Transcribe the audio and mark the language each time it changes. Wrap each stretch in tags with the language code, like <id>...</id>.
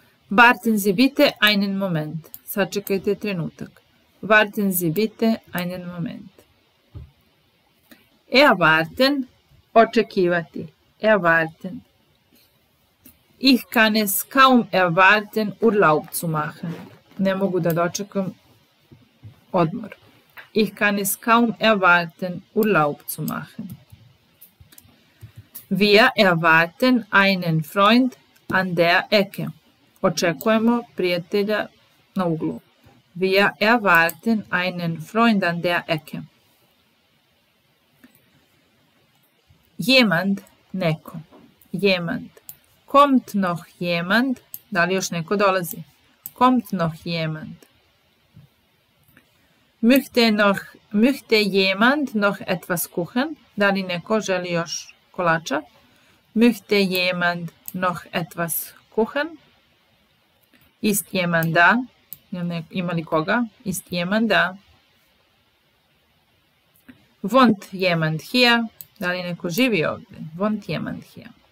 <de>Warten Sie bitte einen Moment.</de> <sr>Sačekajte trenutak.</sr> <de>Warten Sie bitte einen Moment. Erwarten, očekivati. Erwarten. Ich kann es kaum erwarten, Urlaub zu machen.</de> <sr>Ne mogu da dočekam odmor.</sr> <de>Ich kann es kaum erwarten, Urlaub zu machen. Wir erwarten einen Freund an der Ecke.</de> <sr>Očekujemo prijatelja na uglu.</sr> <de>Wir erwarten einen Freund an der Ecke. Jemand, neko. Jemand. Kommt noch jemand?</de> <sr>Da li još neko dolazi?</sr> <de>Kommt noch jemand? Möchte jemand noch etwas kuchen?</de> <sr>Da li neko želi još kolača?</sr> <de>Möchte jemand noch etwas kuchen? Ist jemand da?</de> <sr>Ima li koga?</sr> <de>Ist jemand da? Wohnt jemand hier?</de> <sr>Da li neko živi ovde?</sr> <de>Wohnt jemand hier?</de>